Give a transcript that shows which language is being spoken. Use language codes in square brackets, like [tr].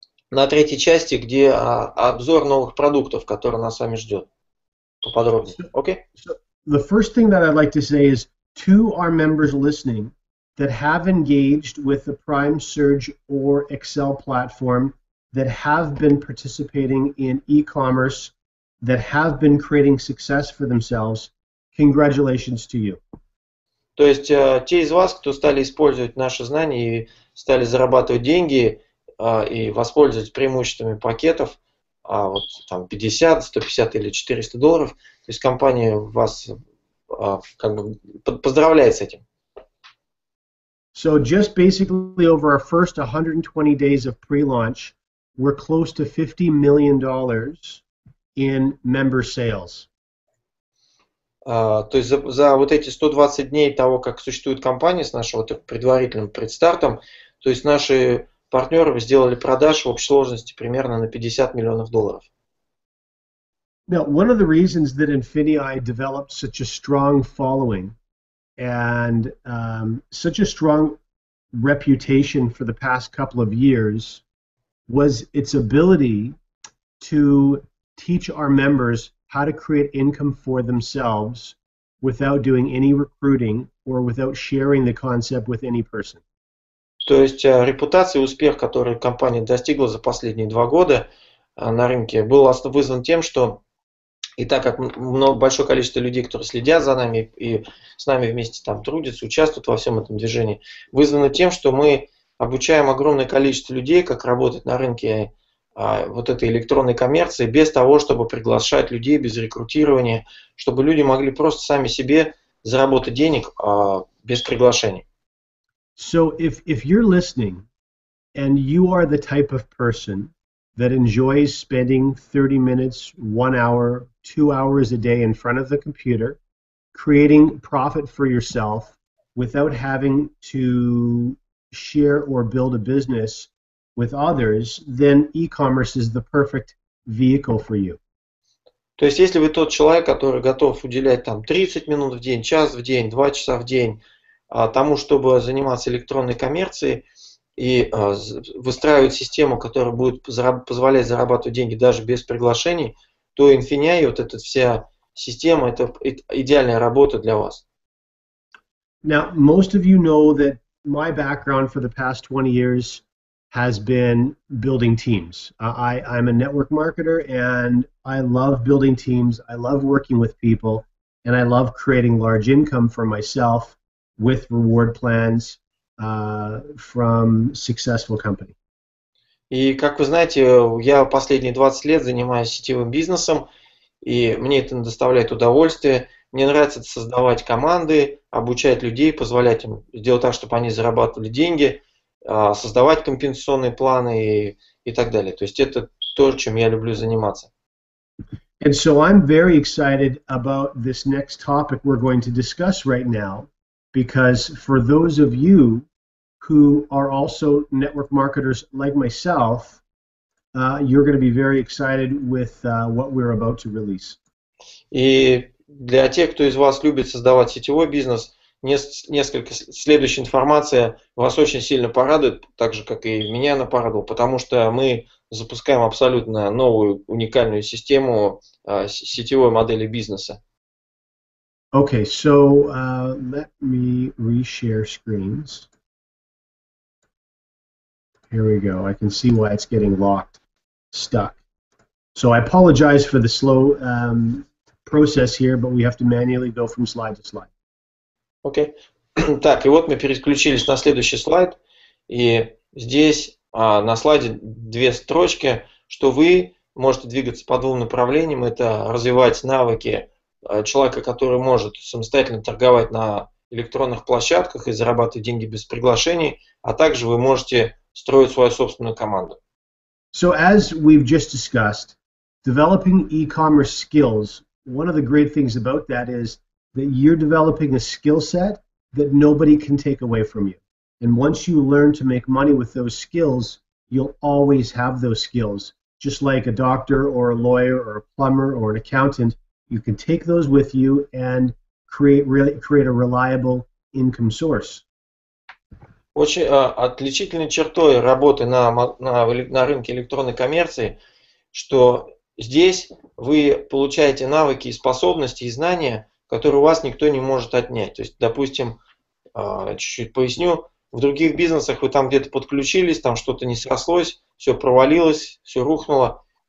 [ru] На третьей части, где обзор новых продуктов, которые нас с вами ждет. Поподробнее. Okay? [en] So the first thing that I'd like to say is, to our members listening that have engaged with the Prime Surge or Excel platform, that have been participating in e-commerce, that have been creating success for themselves, congratulations to you. [ru] То есть те из вас, кто стали использовать наши знания и стали зарабатывать деньги и воспользоваться преимуществами пакетов, вот там 50, 150 или 400 долларов, то есть компания вас как бы поздравляет с этим. [en] So just basically over our first 120 days of pre-launch, we're close to $50 million in member sales. [ru] То есть за вот эти 120 дней того, как существует компания с нашим вот предварительным предстартом, то есть наши партнеры сделали продаж в общей сложности примерно на 50 миллионов долларов. [en] Now, one of the reasons that Infinii developed such a strong following and such a strong reputation for the past couple of years was its ability to teach our members how to create income for themselves without doing any recruiting or without sharing the concept with any person. [ru] То есть репутация и успех, который компания достигла за последние два года на рынке, был вызван тем, что и так как много, большое количество людей, которые следят за нами и с нами вместе там трудятся, участвуют во всем этом движении, вызвано тем, что мы обучаем огромное количество людей, как работать на рынке вот этой электронной коммерции, без того, чтобы приглашать людей, без рекрутирования, чтобы люди могли просто сами себе заработать денег без приглашений. [en] So if you're listening and you are the type of person that enjoys spending 30 minutes, 1 hour, 2 hours a day in front of the computer, creating profit for yourself without having to share or build a business with others, then e-commerce is the perfect vehicle for you. [ru] То есть, если вы тот человек, который готов уделять там 30 минут в день, час в день, 2 часа в день тому, чтобы заниматься электронной коммерцией и выстраивать систему, которая будет позволять зарабатывать деньги даже без приглашений, то Infinii, вот эта вся система, это идеальная работа для вас. [en] Now, most of you know that my background for the past 20 years has been building teams. I'm a network marketer, and I love building teams, I love working with people, and I love creating large income for myself with reward plans from successful company. [ru] И как вы знаете, я последние 20 лет занимаюсь сетевым бизнесом, и мне это доставляет удовольствие. Мне нравится создавать команды, обучать людей, позволять им сделать так, чтобы они зарабатывали деньги, создавать компенсационные планы и так далее. То есть это то, чем я люблю заниматься. [en] And so I'm very excited about this next topic we're going to discuss right now. Because for those of you who are also network marketers like myself, you're going to be very excited with what we're about to release. [ru] И для тех, кто из вас любит создавать сетевой бизнес, несколько следующая информация вас очень сильно порадует, так же, как и меня она порадовала, потому что мы запускаем абсолютно новую уникальную систему сетевой модели бизнеса. [en] Okay, so let me reshare screens. Here we go. I can see why it's getting locked, stuck. So I apologize for the slow process here, but we have to manually go from slide to slide. Okay. [ru] Так, и вот мы переключились на следующий слайд. И здесь на слайде две строчки, что вы можете двигаться по двум направлениям. Это развивать навыки человека, который может самостоятельно торговать на электронных площадках и зарабатывать деньги без приглашений, а также вы можете строить свою собственную команду. [en] So as we've just discussed, developing e-commerce skills, one of the great things about that is that you're developing a skill set that nobody can take away from you. And once you learn to make money with those skills, you'll always have those skills, just like a doctor or a lawyer or a plumber or an accountant. You can take those with you and create a reliable income source. [ru] Очень отличительной чертой работы на рынке электронной коммерции, что здесь вы получаете навыки, способности и знания, которые у вас никто не может отнять. То есть, допустим, чуть-чуть поясню, в других бизнесах вы там где-то подключились, там что-то не срослось, все провалилось, все рухнуло.